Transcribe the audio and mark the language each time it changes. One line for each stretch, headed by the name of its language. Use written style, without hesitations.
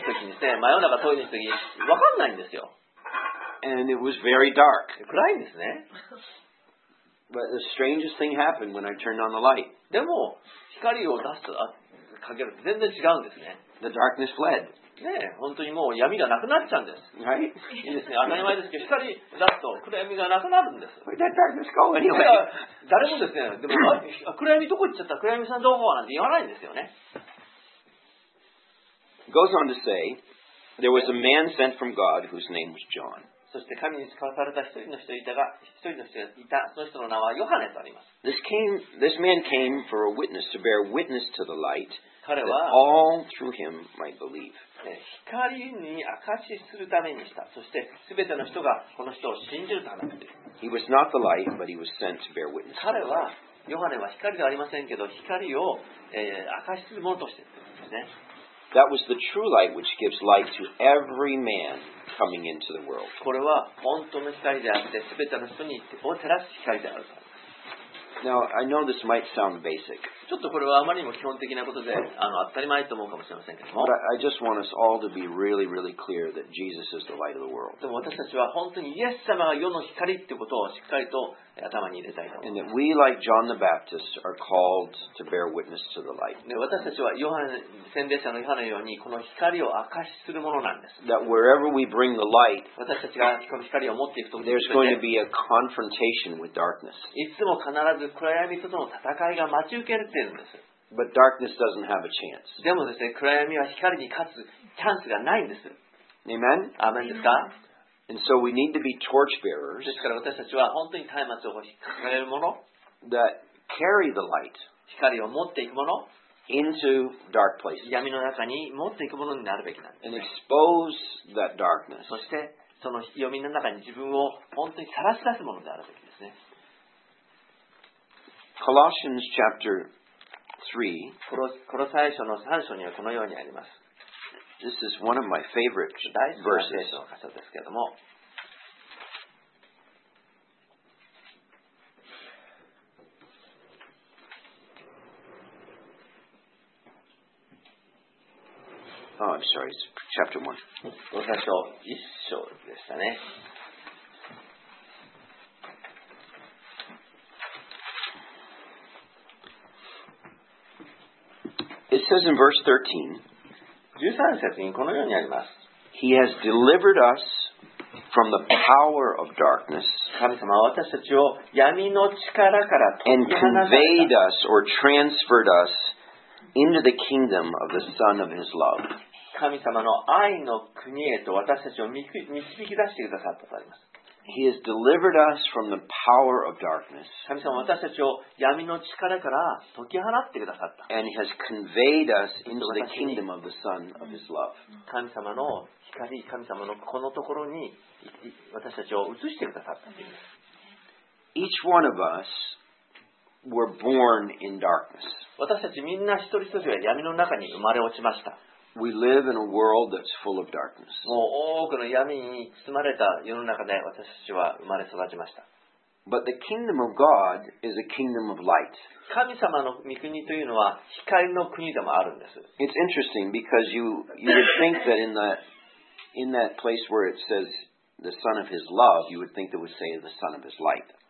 Japanese: トイレに行く時にですね、真夜中トイレに行く時に分かんないんですよ。
English: And it was very dark.
Japanese: 暗いんですね。
English: But the strangest thing happened when I turned on the light.
Japanese: でも光を出すかけると全然違うんですね。
English: The darkness fled.
Japanese: ね、本当にもう闇がなくなっちゃうんです。
English: Right?
Japanese: いいですね。当たり前ですけど光を出すと暗闇がなくなるんです。
English: Where did darkness go anyway?
Japanese: 誰もですね、でも暗闇どこ行っちゃった暗闇さんどこなんて言わないんですよね。
English: Goes on to say, there was a man sent from God whose name was John.
Japanese: そして神に使わされた一人の人がいた、その人の名はヨハネとあります。
English: This man came for a witness, to bear witness to the light, that all through him might believe.
Japanese: 彼は光に証しするためにした。そして全ての人がこの人を信じるためにした。
English: He was not the light, but he was sent to bear witness.
Japanese: 彼は、ヨハネは光ではありませんけど、光を、明かしするものとしてですね。
English: That was the true light which gives light to every man coming into the world.
Japanese: これは本当の光であって、すべての人にを照らす光であると。
English: Now, I know this might sound basic.
Japanese: ちょっとこれはあまりにも基本的なことで、当たり前と思うかもしれませんけども。
English: But I just want us all to be really, really clear that Jesus is the light of the world.
Japanese: でも私たちは本当にイエス様が世の光ってことをしっかりと頭に入れたいと思う。
English: And that we, like John the Baptist, are called to bear witness to the light.
Japanese: で私たちはヨハネ、洗礼者のヨハネのようにこの光を証しするものなんです。
English: That wherever we bring the light,
Japanese: 私たちがこの光を持っていくと、
English: there's going to be a confrontation with darkness.
Japanese: いつも必ず暗闇との戦いが待ち受けるって言うんです。
English: But darkness doesn't have a chance.
Japanese: でもですね、暗闇は光に勝つチャンスがないんです。
English: Amen?
Japanese: アーメンですか?
English: And so we need to be torchbearers.
Japanese: ですから私たちは本当に松明を掲げるもの。
English: That carry the light.
Japanese: 光を持っていくもの。
English: into dark places.
Japanese: 闇の中にもっと行くものになるべきなんです、ね。
English: And expose that darkness.
Japanese: そしてその闇の中に自分を本当にさらし出すものであるべきですね。
English: Colossians chapter 3.
Japanese: コロサイ書の3章にはこのようにあります。
English: This is one of my favorite verses.
Japanese: 大好きな聖書の箇所ですけれども。
English: Oh, I'm sorry, it's chapter 1.
Japanese: 5章、1章でしたね。
English: It says in verse 13,
Japanese: 13節にこのようにあります。
English: He has delivered us from the power of darkness
Japanese: 神様は私たちを闇の力から解き放った
English: and conveyed us or transferred us into the kingdom of the Son of His love.
Japanese: 神様の愛の国へと私たちを導き出してくださったとあります。
English: He has delivered us from the power of darkness.
Japanese: 神様は私たちを闇の力から解き放ってくださった。
English: And he has conveyed us into the kingdom of the Son of His love.
Japanese: 神様の光、神様のこのところに私たちを移してくださったんです。
English: Each one of us were born in darkness.
Japanese: 私たちみんな一人一人は闇の中に生まれ落ちました。
English: We live in a world that's full of darkness.
Japanese: もう多くの闇に包まれた世の中で私たちは生まれ育ちました。
English: But the kingdom of God is a kingdom of light.
Japanese: 神様の御国というのは光の国でもあるんです。
English: It's interesting because you would think that in that place where it says the Son of His love, you would think it would say the Son of His light.